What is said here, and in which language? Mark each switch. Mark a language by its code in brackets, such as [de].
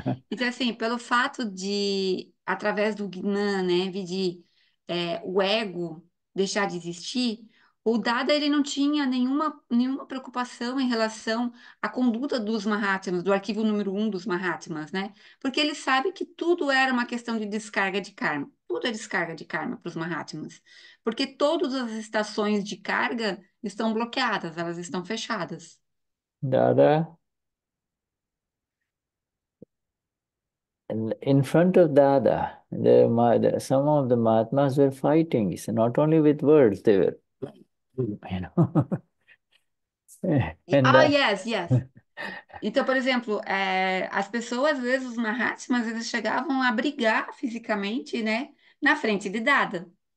[pt] Então, assim, pelo fato de, através do Gnan, né, vidi, o ego deixar de existir, o Dada ele não tinha nenhuma preocupação em relação à conduta dos Mahatmas, do arquivo número 1 dos Mahatmas, né? Porque ele sabe que tudo era uma questão de descarga de karma. Tudo é descarga de karma para os Mahatmas. Porque todas as estações de carga estão bloqueadas, elas estão fechadas. [en] Dada, in front of Dada, some of the Mahatmas were fighting, not only with words, they were, Ah, yes. [pt] Então, por exemplo, as pessoas, às vezes, os Mahatmas, eles chegavam a brigar fisicamente, né, na frente de Dada.